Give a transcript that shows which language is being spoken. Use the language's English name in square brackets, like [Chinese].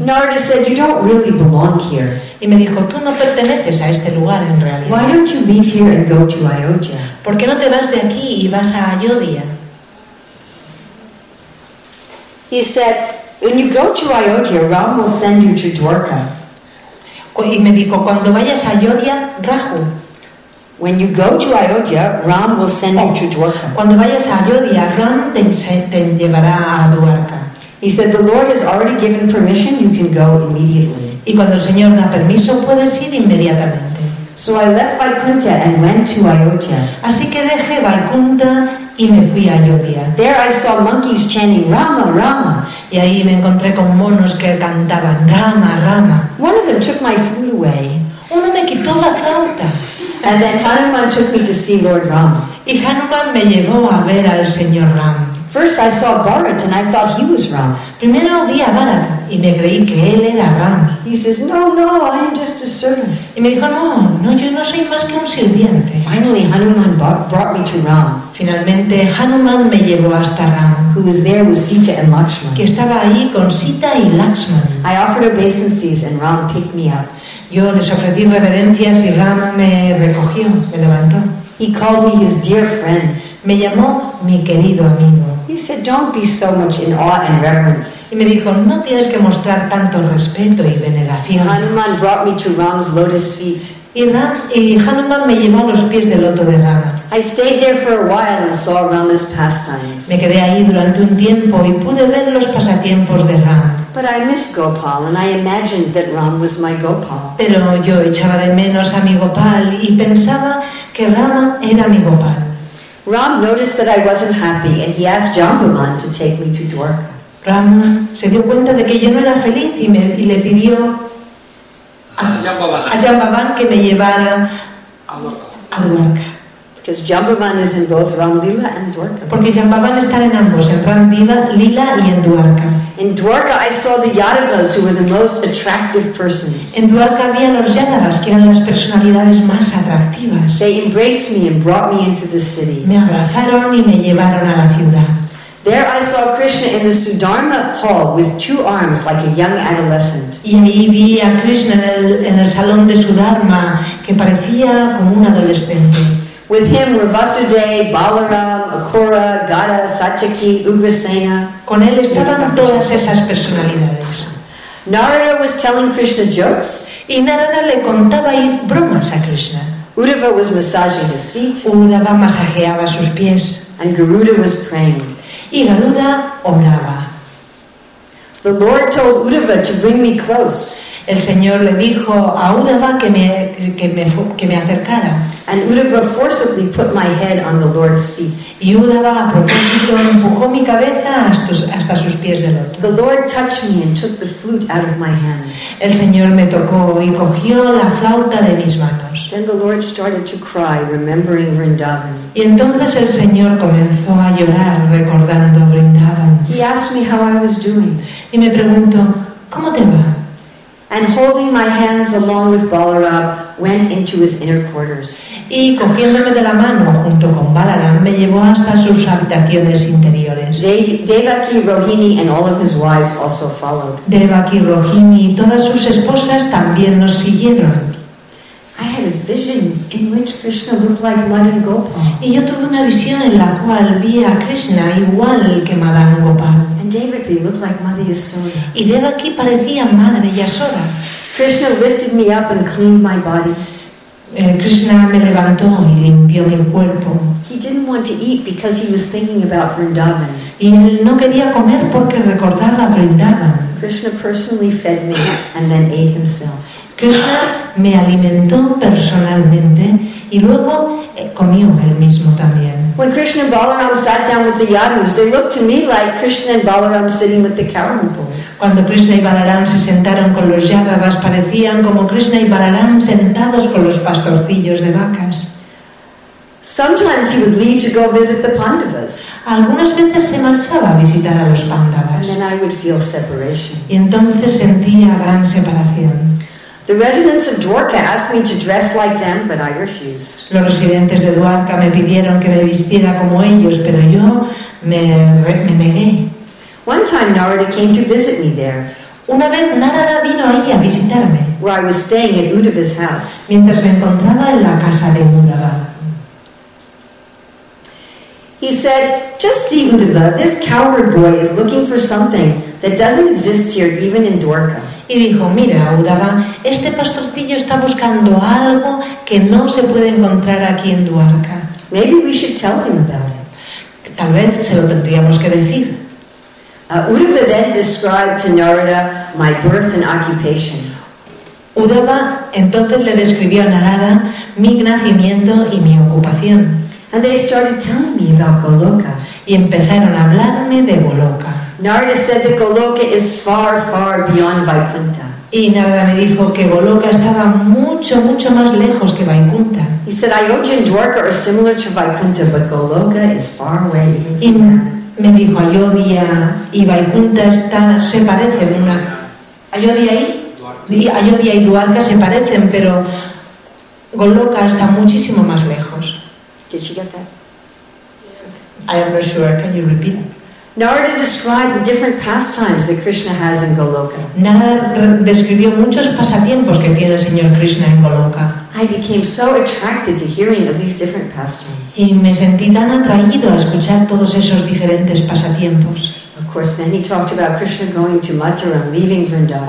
[English] Narada said, "You don't really belong here." [Spanish] Y me dijo, "Tú no perteneces a este lugar en realidad." [English] "Why don't you leave here and go to Ayodhya?" [Spanish] ¿Por qué no te vas de aquí y vas a Ayodhya? [English] He said, "When you go to Ayodhya, Ram will send you to Dwarka." [Spanish] Y me dijo, "Cuando vayas a Ayodhya, Rahu." [English] When you go to Ayodhya, Ram will send you to Dwarka. [Spanish] Cuando vayas a Ayodhya, Ram te llevará a Dwarka. [English] He said, "The Lord has already given permission, you can go immediately." [Spanish] Y cuando el Señor da permiso, puedes ir inmediatamente. [English] So I left Vaikuntha and went to Ayodhya. [Spanish] Así que dejé Vaikuntha y me fui a Ayodhya. [English] There I saw monkeys chanting, "Rama, Rama." [Spanish] Y ahí me encontré con monos que cantaban, "Rama, Rama." [English] One of them took my flute away. [Spanish] Uno me quitó la flauta. [English] And then Hanuman took me to see Lord Ram. [Spanish] Y Hanuman me llevó a ver al señor Ram. [English] First I saw Bharat and I thought he was Ram. [Spanish] Primero vi a Bharat y me creí que él era Ram. [English] He says, "No, no, I am just a servant." [Spanish] Y me dijo, no, yo no soy más que un sirviente. [English] Finally Hanuman brought me to Ram. [Spanish] Finalmente Hanuman me llevó hasta Ram. [English] Who was there with Sita and Lakshman. [Spanish] Que estaba ahí con Sita y Lakshman. [English] I offered obeisances and Ram picked me up. [Spanish] Yo les ofrecí reverencias y Ram me recogió, me levantó. [English] He called me his dear friend. [Spanish] Me llamó mi querido amigo. [English] He said, "Don't be so much in awe and reverence." [Spanish] Y me dijo, "No tienes que mostrar tanto respeto y veneración." [English] Hanuman brought me to Ram's lotus feet. [Spanish] Y Hanuman me llevó a los pies del loto de Rama. [English] I stayed there for a while and saw Rama's pastimes. [Spanish] Me quedé ahí durante un tiempo y pude ver los pasatiempos de Rama. [English] But I missed Gopal and I imagined that Ram was my Gopal. [Spanish] Pero yo echaba de menos a mi Gopal y pensaba que Rama era mi Gopal. [English] Ram noticed that I wasn't happy and he asked Jambavan to take me to Dwarka. [Spanish] Ram se dio cuenta de que yo no era feliz y le pidió a Jambavan que me llevara a Dwarka. [English] Because Jambavan is in both Ram Lila and Dwarka. [Spanish] Porque Jambavan está en ambos, en Ram Lila, Lila y en Dwarka. [English] In Dwarka, I saw the Yadavas who were the most attractive persons. [Spanish] En Dwarka vi a los Yadavas que eran las personalidades más atractivas. [English] They embraced me and brought me into the city. [Spanish] Me abrazaron y me llevaron a la ciudad. [English] There I saw Krishna in the Sudarma hall with two arms like a young adolescent. [Spanish] Y ahí vi a Krishna en el salón de Sudarma que parecía como un adolescente. [English] With him were Vasudev, Balaram, Akura, Gada, Satyaki, Ugrasena. [Spanish] Con él estaban todas esas personalidades. [English] Narada was telling Krishna jokes. [Spanish] Y Narada le contaba bromas a Krishna. [English] Uddhava was massaging his feet. [Spanish] Uddhava masajeaba sus pies. [English] And Garuda was praying. [Spanish] Y Garuda oraba. [English] The Lord told Uddhava to bring me close. [Spanish] El Señor le dijo a Uddhava que me acercara. [English] And Uddhava forcibly put my head on the Lord's feet. [Spanish] Y Uddhava a propósito empujó mi cabeza hasta sus pies del otro. [English] The Lord touched me and took the flute out of my hands. [Spanish] El Señor me tocó y cogió la flauta de mis manos. [English] Then the Lord started to cry, remembering Vrindavan. [Spanish] Y entonces el Señor comenzó a llorar recordando Vrindavan. [English] He asked me how I was doing. [Spanish] Y me preguntó, ¿cómo te va? [English] And holding my hands along with Balaram, went into his inner quarters. [Spanish] Y cogiéndome de la mano junto con Balaram, me llevó hasta sus habitaciones interiores. [English] Devaki, Rohini, and all of his wives also followed. [Spanish] Devaki, Rohini, y todas sus esposas también nos siguieron. [English] I had a vision in which Krishna looked like Madan Gopal. [Spanish] Y yo tuve una visión en la cual vi a Krishna igual que Madan Gopal. [English] And Devaki looked like Mother Yasoda. [Spanish] Y Devaki parecía Madre Yasoda. [English] Krishna lifted me up and cleaned my body. [Spanish] Krishna me levantó y limpió mi cuerpo. [English] He didn't want to eat because he was thinking about Vrindavan. [Spanish] Y él no quería comer porque recordaba Vrindavan. [English] Krishna personally fed me and then ate himself. [Spanish] Krishna me alimentó personalmente y luego comió él mismo también. [English] When Krishna and Balaram sat down with the Yadus, they looked to me like Krishna and Balaram sitting with the cowherd boys. [Spanish] Cuando Krishna y Balaram se sentaron con los Yadavas, parecían como Krishna y Balaram sentados con los pastorcillos de vacas. [English] Sometimes he would leave to go visit the Pandavas. [Spanish] Algunas veces se marchaba a visitar a los Pandavas. [English] And then I would feel separation. [Spanish] Y entonces sentía gran separación. [English] The residents of Dwarka asked me to dress like them, but I refused. [Spanish] Los residentes de Dwarka me pidieron que me vistiera como ellos, pero yo me negué. [English] One time Narada came to visit me there. [Spanish] Una vez Narada vino ahí a visitarme. [English] Where I was staying at Uddhava's house. [Spanish] Mientras me encontraba en la casa de Uddhava. [English] He said, "Just see, Uddhava, this coward boy is looking for something that doesn't exist here, even in Dwarka." [Spanish] Y dijo, mira, Uddhava, este pastorcillo está buscando algo que no se puede encontrar aquí en Dwarka. [English] Maybe we should tell him about it. [Spanish] Tal vez se lo tendríamos que decir. [English] Uddhava then described to Narada my birth and occupation. [Spanish] Uddhava entonces le describió a Narada mi nacimiento y mi ocupación. [English] And they started telling me about Goloka. [Spanish] Y empezaron a hablarme de Goloka. [English] Narada said that Goloka is far, far beyond Vaikuntha. [Spanish] Y Narada me dijo que Goloka estaba mucho, mucho más lejos que Vaikuntha. [English] He said Ayodhya and Dwarka are similar to Vaikuntha, but Goloka is far away. [Spanish] Y me dijo Ayodhya y Vaikuntha se parecen una. Ayodhya y Dwarka se parecen, pero Goloka está muchísimo más lejos. [English] Did she get that? Yes. I am not sure. Can you repeat? Narada described the different pastimes that Krishna has in Goloka. [Spanish] Narada describió muchos pasatiempos que tiene el señor Krishna en Goloka. [English] I became so attracted to hearing of these different pastimes. [Spanish] Y me sentí tan atraído a escuchar todos esos diferentes pasatiempos. [English] Of course, then he talked about Krishna going to Mathura and leaving Vrindavan.